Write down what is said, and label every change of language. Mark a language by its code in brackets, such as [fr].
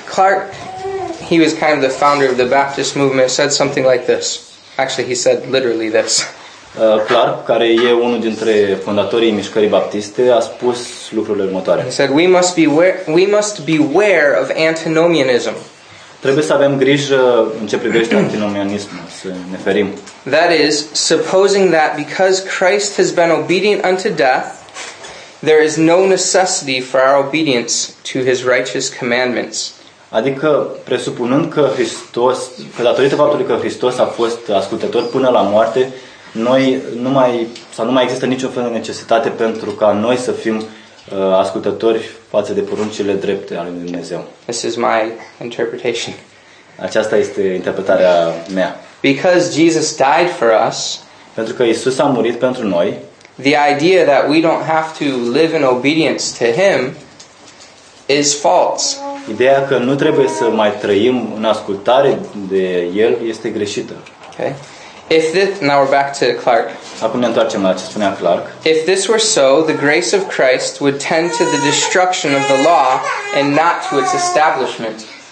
[en] Clark, he was kind of the founder of the Baptist movement, said something like this. Actually, he said literally this. [ro] Clark, care e unul dintre fondatorii mișcării baptiste, a spus lucrurile următoare. [en] He said, we must beware of antinomianism. [ro] Trebuie să avem grijă în ce privește antinomianismul, să ne ferim. [en] That is, supposing that because Christ has been obedient unto death, there is no necessity for our obedience to his righteous commandments. [ro] Adică presupunând că Hristos, că datorită faptului că Hristos a fost ascultător până la moarte, noi nu mai există nicio fel de necesitate pentru ca noi să fim ascultători față de poruncile drepte ale lui Dumnezeu. [en] This is my interpretation. [ro] Aceasta este interpretarea mea. [en] Because Jesus died for us, [ro] pentru că Isus a murit pentru noi, [en] the idea that we don't have to live in obedience to him is false. [ro] Ideea că nu trebuie să mai trăim în ascultare de el este greșită. [en] Okay. If this, now we're back to Clark. [ro] Acum ne întoarcem la ce spunea Clark. [en] If this were so, the grace of Christ would tend to the destruction of the law and not to its establishment.